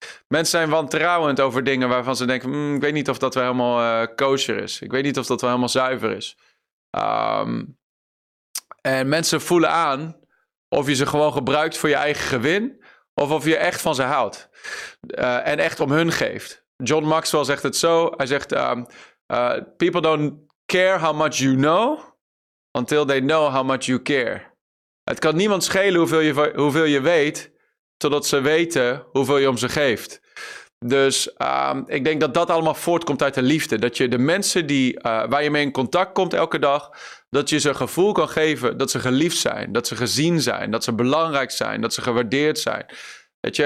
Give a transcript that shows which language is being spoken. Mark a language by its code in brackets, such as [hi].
[nl] Mensen zijn wantrouwend over dingen waarvan ze denken, ik weet niet of dat wel helemaal kosher is. Ik weet niet of dat wel helemaal zuiver is. En mensen voelen aan of je ze gewoon gebruikt voor je eigen gewin, of of je echt van ze houdt en echt om hun geeft. John Maxwell zegt het zo. Hij zegt, [en] people don't care how much you know until they know how much you care. [nl] Het kan niemand schelen hoeveel je weet, totdat ze weten hoeveel je om ze geeft. Dus ik denk dat dat allemaal voortkomt uit de liefde. Dat je de mensen waar je mee in contact komt elke dag, dat je ze een gevoel kan geven dat ze geliefd zijn, dat ze gezien zijn, dat ze belangrijk zijn, dat ze gewaardeerd zijn. Weet je?